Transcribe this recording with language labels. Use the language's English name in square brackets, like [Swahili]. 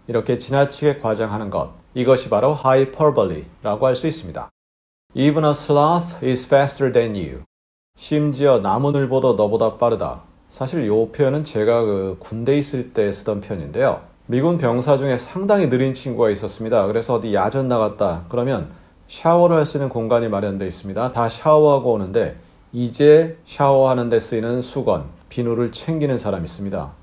[Korean] 이렇게 지나치게 과장하는 것. 이것이 바로 hyperbole라고 할 수 있습니다. [English] Even a sloth is faster than you. [Korean] 심지어 나무늘보도 너보다 빠르다. 사실 이 표현은 제가 그 군대 있을 때 쓰던 표현인데요. 미군 병사 중에 상당히 느린 친구가 있었습니다. 그래서 어디 야전 나갔다. 그러면 샤워를 할 수 있는 공간이 마련되어 있습니다. 다 샤워하고 오는데 이제 샤워하는 데 쓰이는 수건, 비누를 챙기는 사람이 있습니다.